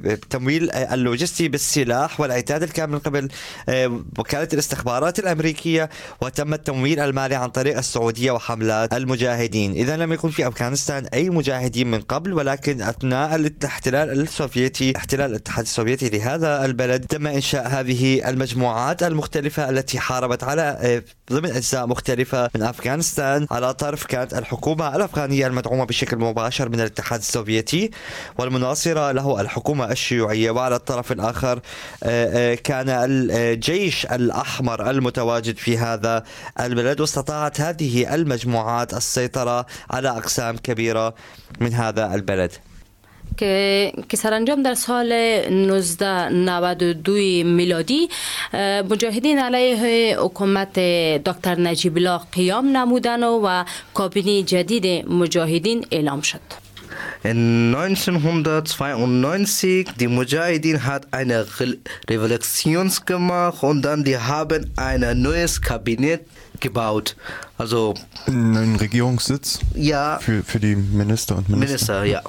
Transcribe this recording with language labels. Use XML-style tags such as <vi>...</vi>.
<ar>تمويل اللوجستي بالسلاح والعتاد الكامل قبل وكالة الاستخبارات الأمريكية وتم التمويل المالي عن طريق السعودية وحملات المجاهدين إذن لم يكن في أفغانستان أي مجاهدين من قبل ولكن أثناء الاحتلال السوفيتي احتلال الاتحاد السوفيتي لهذا البلد تم إنشاء هذه المجموعات المختلفة التي حاربت على ضمن أجزاء مختلفة من أفغانستان على طرف كانت الحكومة الأفغانية المدعومة بشكل مباشر من الاتحاد السوفيتي والمناصرة له الحكومة الشيوعية وعلى الطرف الآخر كان الجيش الأحمر المتواجد في هذا البلد واستطاعت هذه المجموعات السيطرة على أقسام كبيرة من هذا البلد</ar> <fa>که سرانجام در سال 1992 میلادی مجاهدین علیه حکومت دکتر نجیب الله قیام نمودن و کابینه جدید مجاهدین اعلام شد.</fa> <de>In 1992 die Mujahideen hat eine Revolution gemacht und dann die haben ein neues Kabinett gebaut. Also einen Regierungssitz? Ja. Für die Minister und Minister? Minister, ja.</de>